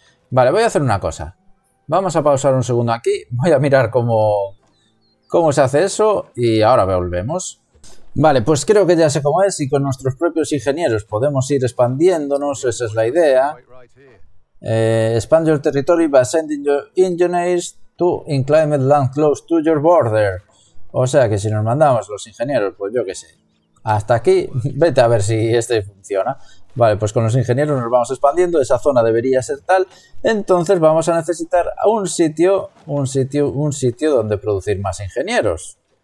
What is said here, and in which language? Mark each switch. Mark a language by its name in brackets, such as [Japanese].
[Spanish] Vale, voy a hacer una cosa. Vamos a pausar un segundo aquí. Voy a mirar cómo se hace eso y ahora volvemos. Vale, pues creo que ya sé cómo es y con nuestros propios ingenieros podemos ir expandiéndonos. Esa es la idea. [English] Expand your territory by sending your engineers to inclement land close to your border. [Spanish] O sea que si nos mandamos los ingenieros, pues yo qué sé. Hasta aquí, vete a ver si este funciona. Vale, pues con los ingenieros nos vamos expandiendo, esa zona debería ser tal. Entonces vamos a necesitar un sitio donde producir más ingenieros.